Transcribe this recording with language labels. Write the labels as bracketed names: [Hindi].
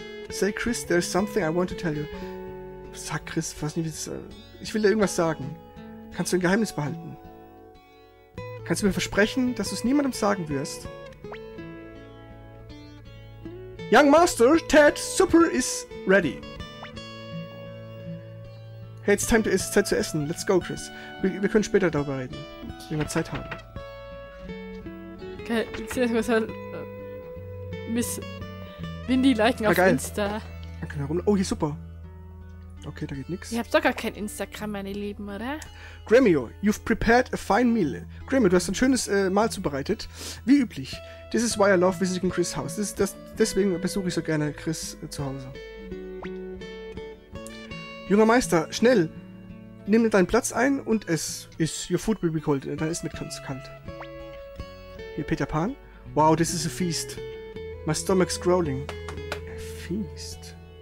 [English] Say Chris, there's something I want to tell you. [German] Sag Chris, weiß nicht, wie das, ich will dir irgendwas sagen. Kannst du ein Geheimnis behalten? Kannst du mir versprechen, dass du es niemandem sagen wirst? [English] Young Master, Ted, Supper is ready. Hey, it's time [German] zu essen. [English] Let's go, Chris. [German] Wir können später darüber reden, wenn wir Zeit haben. Okay, ich sehe das mal Miss... Windy liken auf Insta. Okay, herum. Oh, hier super. Okay, da geht nix. Ihr habt doch gar kein Instagram, meine Lieben, oder? Grammio, [English] you've prepared a fine meal. [German] Grammio, du hast ein schönes Mahl zubereitet. Wie üblich. [English] This is why I love visiting Chris' house. [German] Deswegen besuche ich so gerne Chris zu Hause. Junger Meister, schnell. Nimm deinen Platz ein und es ist. [English] Your food will be cold. [German] Dann ist mit uns kalt. Hier, Peter Pan. [English] Wow, this is a feast. My stomach's growling. A feast.